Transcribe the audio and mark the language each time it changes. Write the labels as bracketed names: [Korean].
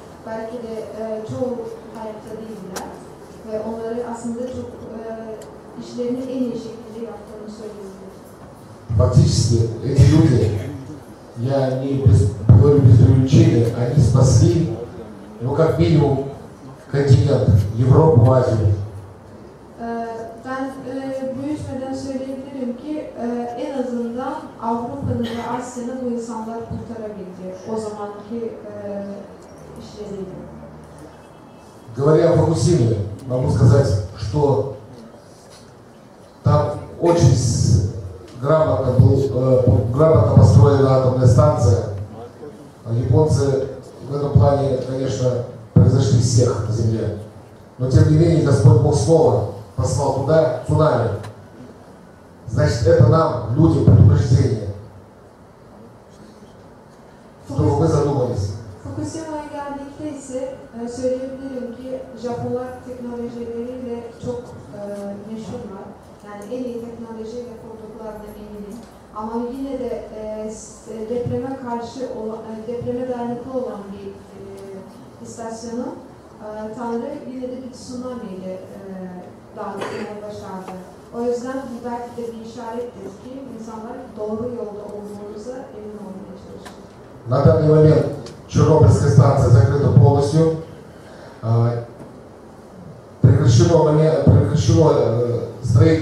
[Turkish] Belki de çoğu hayatta değiller ve onları aslında çok işlerini en iyi şekilde yaptığını söyleyebilirim. [Russian] Фактически эти люди. Я не без, говорю без привлечения, они спасли, ну, как минимум, континент, Европу, Азию. [Turkish] Ben büyütmeden söyleyebilirim ki, en azından Avrupa'nın ve Asya'nın bu insanlar kurtarabildi. O zamanki işleriyle. [Russian] Говоря о Фукусиме, могу сказать, что там очень грамотно построена атомная станция. Японцы в этом плане, конечно, превзошли всех на Земле. Но тем не менее, Господь Бог слово послал туда цунами. Значит, это нам, людям, предупреждение. Чтобы мы задумались. [Turkish] Fukushima'ya geldiğinde ise söyleyebilirim ki Japonlar teknolojileriyle çok meşhurlar. Yani en iyi teknolojiyle kurduklarına eminim. Ama yine de depreme karşı depreme dayanıklı olan bir istasyonu Tanrı yine de bir tsunami ile dağıtmaya başardı. O yüzden bu belki de bir işarettir ki insanlar doğru yolda olduğumuza emin olmaya çalışıyor. [Russian] Чернобыльская станция закрыта полностью. Прекращено строительство.